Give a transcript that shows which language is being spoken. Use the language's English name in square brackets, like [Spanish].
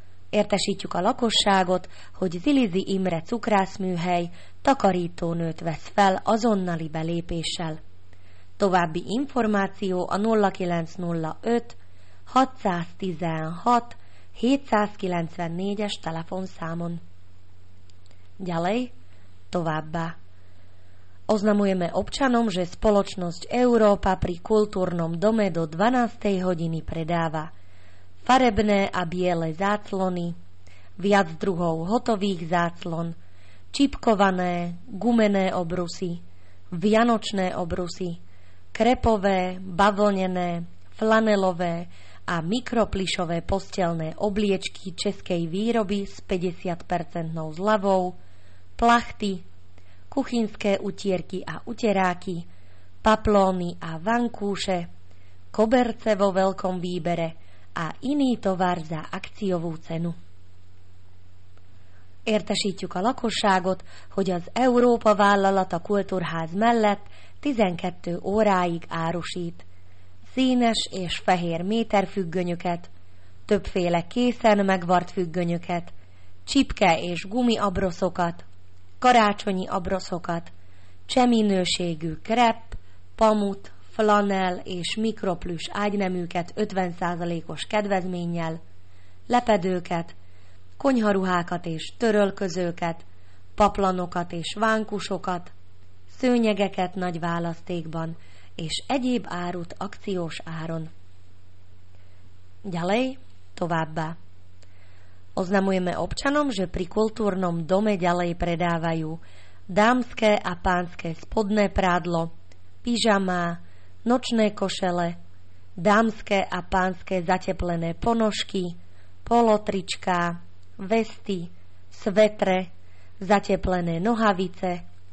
[Hungarian] Értesítjük a lakosságot, hogy Zilizi Imre cukrászműhely takarítónőt vesz fel azonnali belépéssel. További információ a 0905 616 794-es telefonszámon. [Slovak] Ďalej, [Hungarian] továbbá. [Slovak] Oznamujeme občanom, že spoločnosť Európa pri kultúrnom dome do 12. hodiny predáva farebné a biele záclony, viac druhov hotových záclon, čipkované, gumené obrusy, vianočné obrusy, krepové, bavlnené, flanelové a mikroplišové postelné obliečky českej výroby s 50% zľavou, plachty, kuchynské utierky a uteráky, paplóny a vankúše, koberce vo veľkom výbere a iný tovar za akciovú cenu. [Hungarian] Értesítjük a lakosságot, hogy az Európa vállalata kultúrház mellett 12 óráig árusít színes és fehér méterfüggönyöket, többféle készen megvart függönyöket, csipke és gumi abroszokat, karácsonyi abroszokat, cseminőségű krep, pamut, flanel és mikroplüs ágyneműket 50%-os kedvezménnyel, lepedőket, konyharuhákat és törölközőket, paplanokat és vánkusokat, szőnyegeket nagy választékban és egyéb árut akciós áron. [Slovak] Ďalej, [Hungarian] továbbá. [Slovak] Oznamujeme občanom, že pri kultúrnom dome ďalej predávajú dámske a pánske spodné prádlo, pyžamá, nočné košele, dámske a pánske zateplené ponožky, polotričká, vesty, svetre, zateplené nohavice,